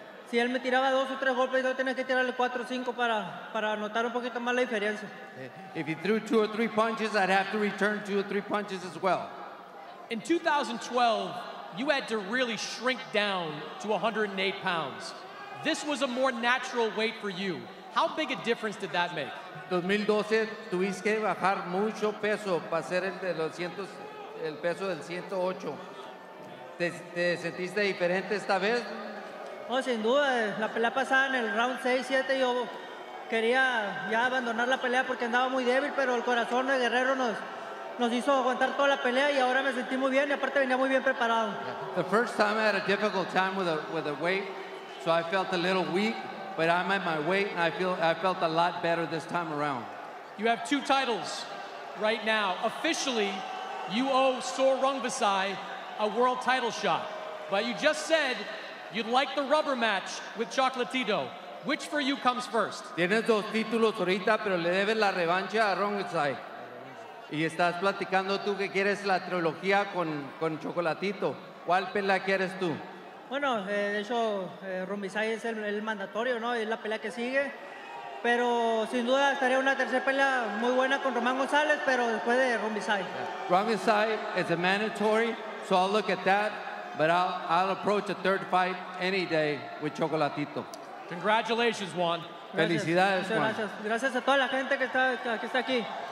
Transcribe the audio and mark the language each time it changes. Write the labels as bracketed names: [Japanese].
[Spanish] Si él me tiraba dos o tres golpes, yo tenía que tirarle cuatro o cinco para notar un poquito más la diferencia. [English] If he threw two or three punches, I'd have to return two or three punches as well. In 2012, you had to really shrink down to 108 pounds. This was a more natural weight for you. How big a difference did that make? [Spanish] 2012, tuviste que bajar mucho peso para ser el peso del 108. ¿Te sentiste diferente esta vez? No, sin duda. La pelea pasada en el round 6-7 yo quería ya abandonar la pelea porque andaba muy débil, pero el corazón de Guerrero nos nos hizo aguantar toda la pelea y ahora me sentí muy bien y aparte venía muy bien preparado. [English] The first time I had a difficult time with the weight, so I felt a little weak, but I'm at my weight and I felt a lot better this time around. You have two titles right now. Officially, you owe Sor Rungvisai a world title shot, but you just said you'd like the rubber match with Chocolatito. Which for you comes first? [Spanish] Tienes dos títulos ahorita, pero le debes la revancha a Rungvisai. Y estás platicando tú que quieres la trilogía con Chocolatito. ¿Cuál pelea quieres tú? Bueno, de hecho, Rungvisai es el mandatorio, ¿no? Es la pelea que sigue. Pero sin duda estaría una tercera pelea muy buena con Román González, pero después de Rungvisai. [English] Rungvisai is a mandatory, so I'll look at that. But I'll approach a third fight any day with Chocolatito. Congratulations, Juan. Gracias. [Spanish] Felicidades, gracias, Juan. Gracias. Gracias a toda la gente que está aquí.